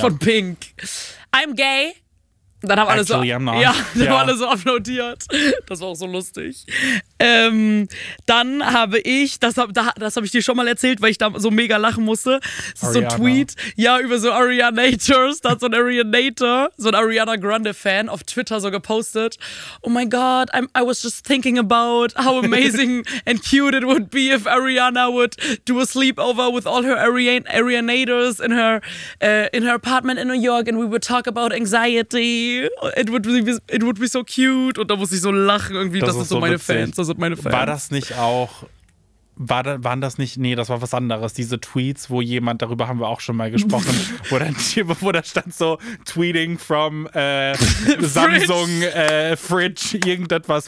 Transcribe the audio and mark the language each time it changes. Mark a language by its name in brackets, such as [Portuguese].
[German] von Pink. [English] I'm gay. [German] Dann haben alle so applaudiert. Das war auch so lustig. Dann habe ich, das habe ich dir schon mal erzählt, weil ich da so mega lachen musste. Das ist so ein Tweet, über so Arianators. Da hat so ein Arianator, so ein Ariana Grande-Fan, auf Twitter so gepostet. [English] Oh my God, I was just thinking about how amazing and cute it would be if Ariana would do a sleepover with all her Arianators in her apartment in New York and we would talk about anxiety. It would be so cute. [German] Und da muss ich so lachen irgendwie. Das sind meine Fans. War das nicht auch, waren das nicht, nee, das war was anderes. Diese Tweets, wo jemand, darüber haben wir auch schon mal gesprochen, wo da stand so, [English] tweeting from Samsung Fridge, [German] irgendetwas.